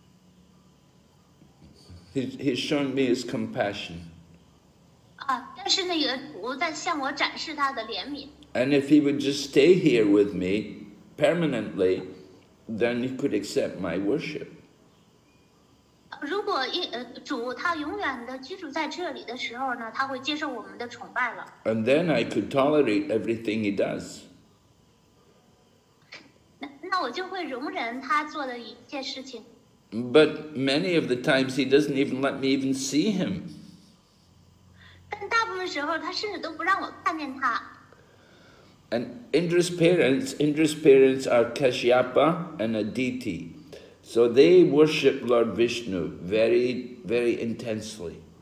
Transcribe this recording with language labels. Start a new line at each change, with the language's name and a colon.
Chinese: 那在回答的时候呢，英者可能会回复说，那可以吧，没问题，但是。He's
English: showing me his compassion.
Chinese: 但是那个主在向我展示他的怜悯。And
English: if he would just stay here with me permanently, then he could accept my worship.
Chinese: 如果主他永远的居住在这里的时候呢，他会接受我们的崇拜了。And
English: then I could tolerate everything he does.
Chinese: 那我就会容忍他做的一件事情。But
English: many of the times he doesn't even let me even see him.
Chinese: 但大部分时候他甚至都不让我看见他。And
English: Indra's parents are Kashyapa and Aditi. So they worship Lord Vishnu very, very intensely.